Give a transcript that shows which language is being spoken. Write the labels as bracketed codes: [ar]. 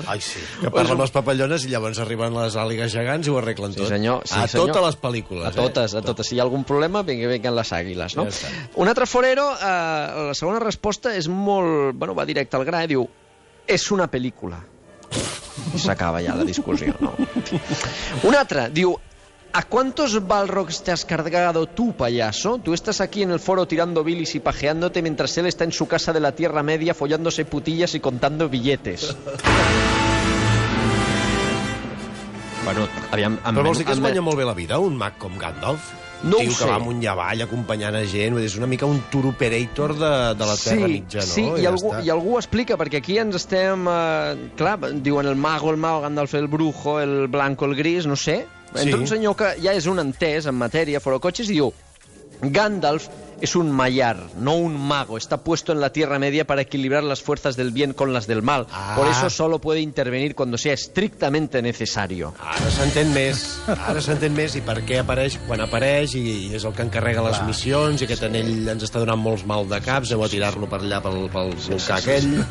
[ca] Ai, sí, que parla amb les papallones i llavors arriben les àligues gegants i ho arreglen tot. Sí, senyor. Sí, a senyor. Totes les pel·lícules. A totes. Si hi ha algun problema, vinguin les àguiles, no? Ja, un altre forero, la segona resposta és molt... Bueno, va directe al gra, diu: és una pel·lícula. I s'acaba ja la discussió, no? Un altre, diu: [es] ¿a cuántos Balrogs te has cargado tú, payaso? Tú estás aquí en el foro tirando bilis y pajeándote mientras él está en su casa de la Tierra Media follándose putillas y contando billetes. [ca] Bueno, aviam... Però vols dir que es guanya molt bé la vida, un mag com Gandalf? No ho sé. Un tio que va amunt i avall acompanyant a gent, és una mica un tour operator de la Terra Mitja, no? Sí, i algú ho explica, perquè aquí ens estem... clar, diuen el mago, Gandalf el brujo, el blanco, el gris, no sé... Entra un senyor que ja és un entès en matèria, Foro Coches, i diu: [es] Gandalf es un maiar, no un mago. Está puesto en la Tierra Media para equilibrar las fuerzas del bien con las del mal. Ah. Por eso solo puede intervenir cuando sea estrictamente necesario. [ca] Ara s'entén més i per què apareix quan apareix i és el que encarrega les missions i aquest anell ens està donant molts mal de caps, heu a tirar-lo per allà pel volcà aquell.